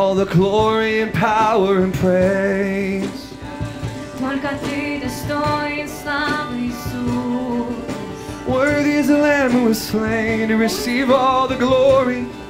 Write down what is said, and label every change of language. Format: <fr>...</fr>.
<en>Glory and power and praise.</en> <ru>Только ты достоин славы, Иисус.</ru> <en>Worthy is the Lamb who was slain to receive all the glory.</en>